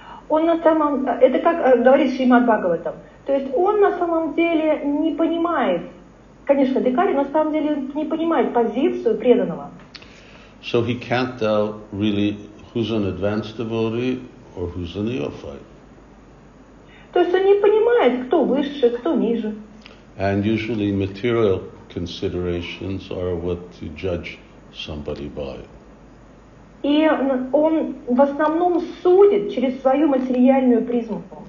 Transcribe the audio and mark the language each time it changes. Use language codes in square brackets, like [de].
[ru] Он на самом, это как говорит Шримад Бхагаватам. То есть он на самом деле не понимает, конечно, адикари, на самом деле не понимает позицию преданного. [en] So he can't tell really who's an advanced devotee or who's a neophyte. [ru] То есть он не понимает, кто выше, кто ниже. [en] And usually material considerations are what you judge somebody by. [ru] И он в основном судит через свою материальную призму.